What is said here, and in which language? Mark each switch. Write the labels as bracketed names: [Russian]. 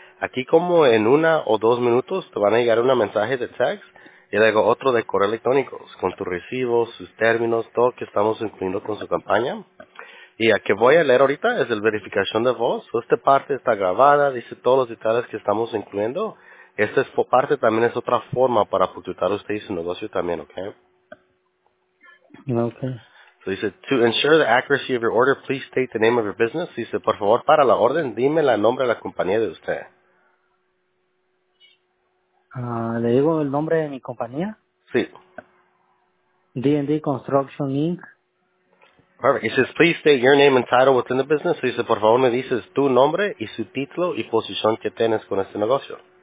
[Spanish] Aquí como en una o dos minutos te van a llegar un mensaje de text y luego otro de correo electrónico con tus recibos, sus términos, todo que estamos incluyendo con su campaña. Y a que voy a leer ahorita es el verificación de voz. Esta parte está grabada, dice todos los detalles que estamos incluyendo. Esta es parte también es otra forma para facilitar usted y su negocio también, ¿ok? Ok. [English] So [Spanish] dice, [English] to ensure the accuracy of your order, please state the name of your business. [Spanish] Dice, por favor, para la orden, dime el nombre de la compañía de usted. ¿Le digo el nombre de mi compañía? Sí. D&D Construction Inc. [English] Perfect. He says, please state your name and title within the business. So he says, [Spanish] por favor, me dices tu nombre y su título y posición que tienes con este negocio.